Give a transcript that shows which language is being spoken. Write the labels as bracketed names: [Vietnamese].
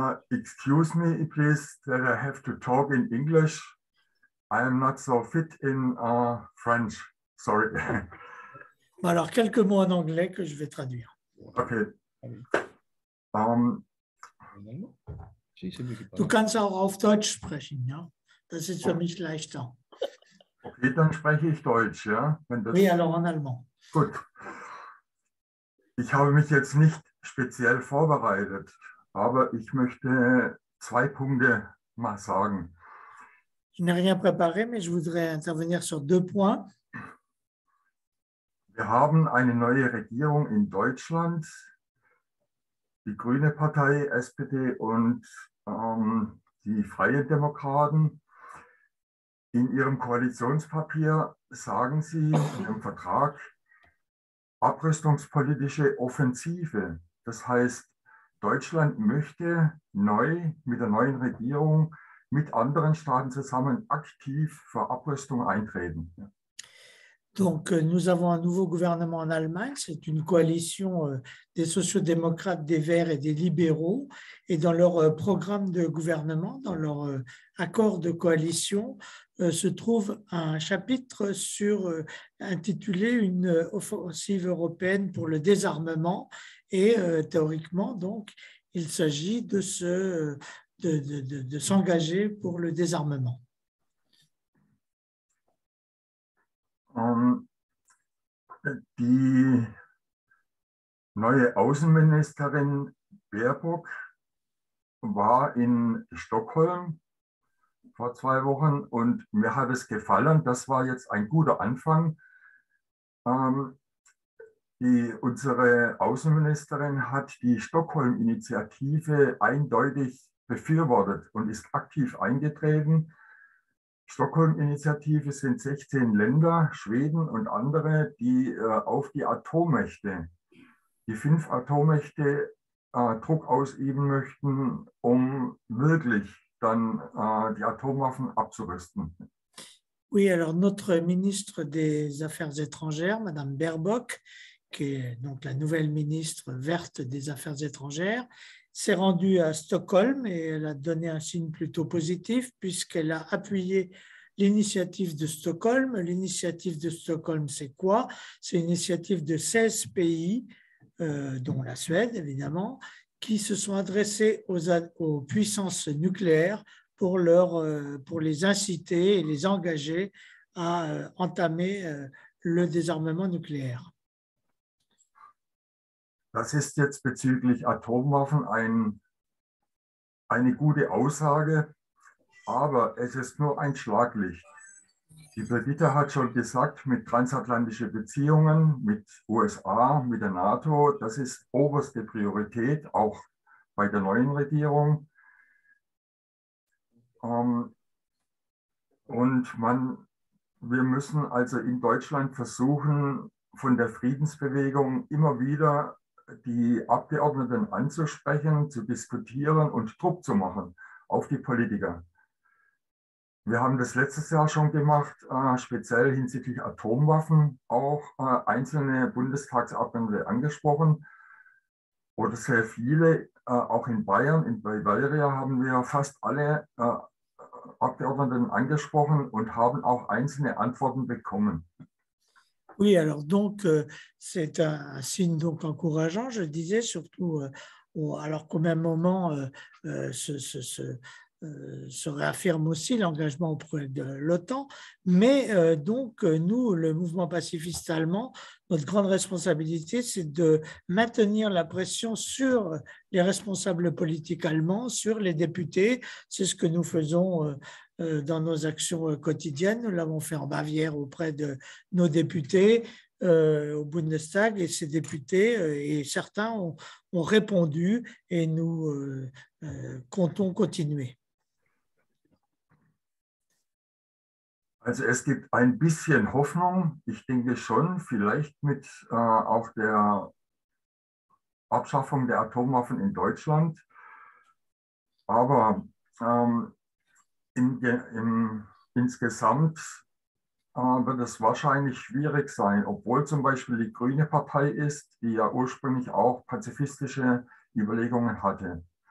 [English] Excuse me, please, that I have to talk in English. I am not so fit in French. Sorry. [French] Alors, quelques mots en anglais que je vais traduire. Ok. [German] Tu kannst auch auf Deutsch sprechen, ja? Das ist für mich leichter. Ok, dann spreche ich Deutsch, ja? Wenn das... [French] Oui, alors en allemand. [German] Gut. Ich habe mich jetzt nicht speziell vorbereitet, aber ich möchte zwei Punkte mal sagen. [French] Je n'ai rien préparé, mais je voudrais intervenir sur deux points. [German] Wir haben eine neue Regierung in Deutschland, die Grüne Partei, SPD und die Freie Demokraten. In ihrem Koalitionspapier sagen sie, in ihrem Vertrag, abrüstungspolitische Offensive. Das heißt, Deutschland möchte neu mit der neuen Regierung mit anderen Staaten zusammen aktiv für Abrüstung eintreten. [French] Donc, nous avons un nouveau gouvernement en Allemagne. C'est une coalition des sociodémocrates, des Verts et des libéraux. Et dans leur programme de gouvernement, dans leur accord de coalition, se trouve un chapitre sur intitulé « Une offensive européenne pour le désarmement ». Et théoriquement, donc, il s'agit de s'engager pour le désarmement. [German] Die neue Außenministerin Baerbock war in Stockholm vor zwei Wochen und mir hat es gefallen. Das war jetzt ein guter Anfang. Unsere Außenministerin hat die Stockholm-Initiative eindeutig befürwortet und ist aktiv eingetreten. Stockholm-Initiative sind 16 Länder, Schweden und andere, die auf die Atommächte, die fünf Atommächte Druck ausüben möchten, um wirklich dann die Atomwaffen abzurüsten. [French] Oui, alors notre ministre des Affaires étrangères, Madame Baerbock, qui est donc la nouvelle ministre verte des Affaires étrangères, s'est rendue à Stockholm et elle a donné un signe plutôt positif puisqu'elle a appuyé l'initiative de Stockholm. L'initiative de Stockholm, c'est quoi? C'est une initiative de 16 pays, dont la Suède évidemment, qui se sont adressés aux puissances nucléaires pour les inciter et les engager à entamer le désarmement nucléaire. [German] Das ist jetzt bezüglich Atomwaffen eine gute Aussage, aber es ist nur ein Schlaglicht. Die Brigitte hat schon gesagt, mit transatlantischen Beziehungen, mit USA, mit der NATO, das ist oberste Priorität, auch bei der neuen Regierung. Und wir müssen also in Deutschland versuchen, von der Friedensbewegung immer wieder die Abgeordneten anzusprechen, zu diskutieren und Druck zu machen auf die Politiker. Wir haben das letztes Jahr schon gemacht, speziell hinsichtlich Atomwaffen auch einzelne Bundestagsabgeordnete angesprochen oder sehr viele, auch in Bayern, in Bavaria haben wir fast alle Abgeordneten angesprochen und haben auch einzelne Antworten bekommen. [French] Oui, alors donc, c'est un signe donc encourageant, je disais, surtout alors qu'au même moment, se réaffirme aussi l'engagement auprès de l'OTAN, mais donc nous, le mouvement pacifiste allemand, notre grande responsabilité, c'est de maintenir la pression sur les responsables politiques allemands, sur les députés. C'est ce que nous faisons dans nos actions quotidiennes. Nous l'avons fait en Bavière auprès de nos députés au Bundestag, et ces députés et certains ont répondu, et nous comptons continuer. [German] Also es gibt ein bisschen Hoffnung, ich denke schon, vielleicht mit auch der Abschaffung der Atomwaffen in Deutschland. Aber insgesamt wird es wahrscheinlich schwierig sein, obwohl zum Beispiel die Grüne Partei ist, die ja ursprünglich auch pazifistische Überlegungen hatte.